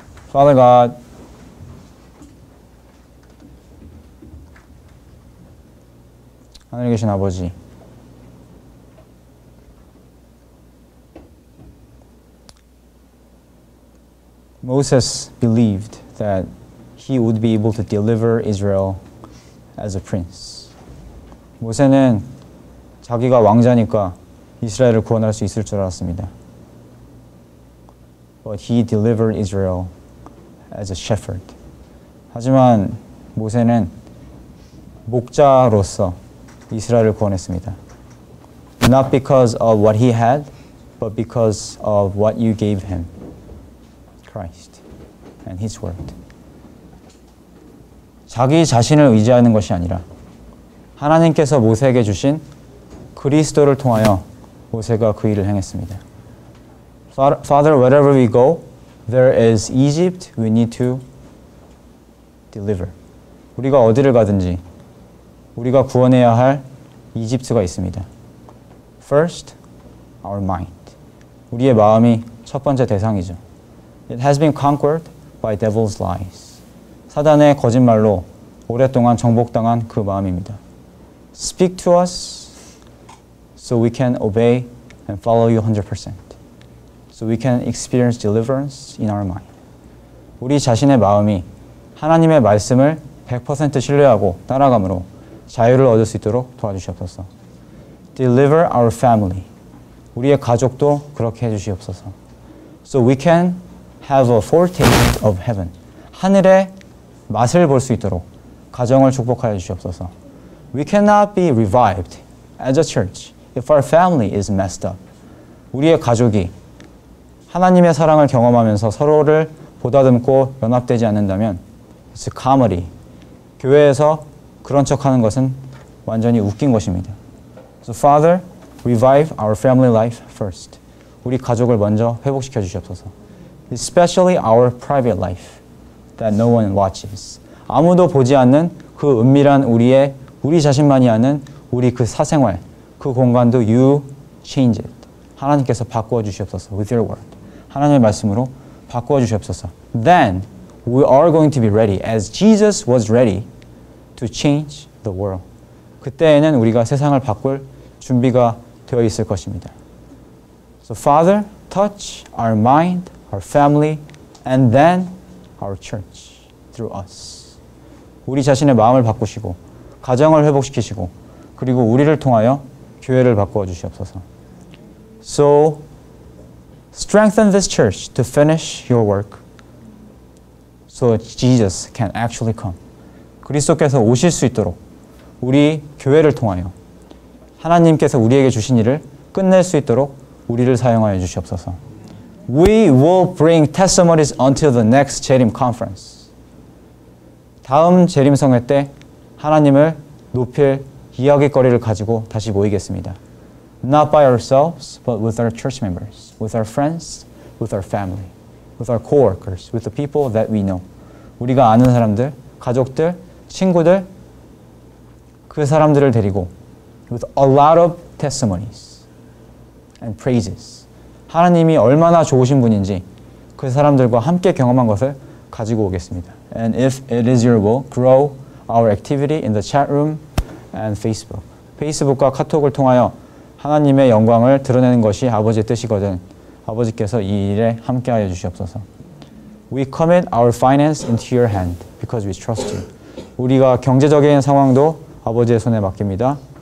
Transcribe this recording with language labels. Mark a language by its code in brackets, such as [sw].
[en] Father God, Father, [ko] 아버지, [en] Moses believed that he would be able to deliver Israel as a prince. [ko] 모세는 자기가 왕자니까 이스라엘을 구원할 수 있을 줄 알았습니다. [en] But he delivered Israel as a shepherd. [ko] 하지만 모세는 목자로서 이스라엘을 구원했습니다. [en] Not because of what he had, but because of what you gave him, Christ and his word. [ko] 자기 자신을 의지하는 것이 아니라 하나님께서 모세에게 주신 그리스도를 통하여 모세가 그 일을 행했습니다. [en] Father, wherever we go, there is Egypt we need to deliver. [ko] 우리가 어디를 가든지 우리가 구원해야 할 이집트가 있습니다. [en] First, our mind. [ko] 우리의 마음이 첫 번째 대상이죠. [en] It has been conquered by devil's lies. [ko] 사단의 거짓말로 오랫동안 정복당한 그 마음입니다. [en] Speak to us so we can obey and follow you 100%. So we can experience deliverance in our mind. [ko] 우리 자신의 마음이 하나님의 말씀을 100% 신뢰하고 따라감으로 자유를 얻을 수 있도록 도와주시옵소서. [en] Deliver our family. [ko] 우리의 가족도 그렇게 해주시옵소서. [en] So we can have a foretaste of heaven. [ko] 하늘의 맛을 볼 수 있도록 가정을 축복하여 주시옵소서. [en] We cannot be revived as a church if our family is messed up. [ko] 우리의 가족이 하나님의 사랑을 경험하면서 서로를 보다듬고 연합되지 않는다면 [en] it's a comedy. [ko] 교회에서 그런 척하는 것은 완전히 웃긴 것입니다. [en] So Father, revive our family life first. [ko] 우리 가족을 먼저 회복시켜 주시옵소서. [en] Especially our private life that no one watches. [ko] 아무도 보지 않는 그 은밀한 우리의 우리 자신만이 아는 우리 그 사생활 그 공간도 [en] you change it. [ko] 하나님께서 바꾸어 주시옵소서. [en] With your word. [ko] 하나님의 말씀으로 바꾸어 주시옵소서. [en] Then we are going to be ready as Jesus was ready to change the world. [ko] 그때에는 우리가 세상을 바꿀 준비가 되어 있을 것입니다. [en] So Father, touch our mind, our family, and then our church through us. [ko] 우리 자신의 마음을 바꾸시고 가정을 회복시키시고 그리고 우리를 통하여 교회를 바꾸어 주시옵소서. [en] So strengthen this church to finish your work so Jesus can actually come. [ko] 그리스도께서 오실 수 있도록 우리 교회를 통하여 하나님께서 우리에게 주신 일을 끝낼 수 있도록 우리를 사용하여 주시옵소서. [en] We will bring testimonies until the next Jerim conference. [ko] 다음 재림성회 때 하나님을 높일 이야기거리를 가지고 다시 모이겠습니다. [en] Not by ourselves, but with our church members, with our friends, with our family, with our co-workers, with the people that we know. [ko] 우리가 아는 사람들, 가족들, 친구들, 그 사람들을 데리고 [en] with a lot of testimonies and praises. [ko] 하나님이 얼마나 좋으신 분인지 그 사람들과 함께 경험한 것을 가지고 오겠습니다. [en] And if it is your will, grow our activity in the chat room and Facebook. [ko] 페이스북과 카톡을 통하여 하나님의 영광을 드러내는 것이 아버지의 뜻이거든. 아버지께서 이 일에 함께하여 주시옵소서. [en] We commit our finance into your hand because we trust you. [ko] 우리가 경제적인 상황도 아버지의 손에 맡깁니다.